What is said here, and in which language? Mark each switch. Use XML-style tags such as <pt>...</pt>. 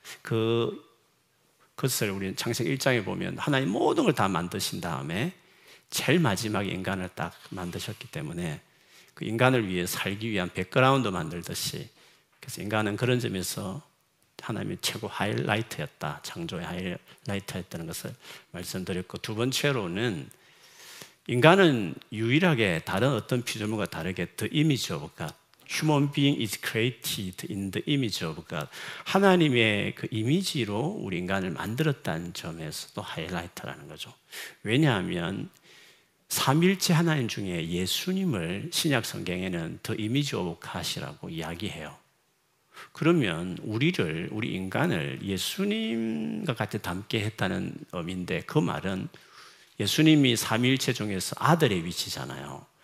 <ko>그것을 우리는 창세기 1장에 보면 하나님 모든 걸 다 만드신 다음에 제일 마지막에 인간을 딱 만드셨기 때문에 그 인간을 위해 살기 위한 백그라운드 만들듯이, 그래서 인간은 그런 점에서 하나님의 최고 하이라이트였다, 창조의 하이라이트였다는 것을 말씀드렸고, 두 번째로는 인간은 유일하게 다른 어떤 피조물과 다르게</ko> <en>더 이미지 오브 갓, Human being is created in the image of God.</en> <ko>하나님의 그 이미지로 우리 인간을 만들었다는 점에서도 하이라이트라는 거죠. 왜냐하면 삼일체 하나님 중에 예수님을 신약 성경에는</ko> <en>the image of God</en> <ko>이라고 이야기해요. 그러면 우리를, 우리 인간을 예수님과 같이 닮게 했다는 의미인데 그 말은 예수님이 삼일체 중에서 아들의 위치잖아요.</ko>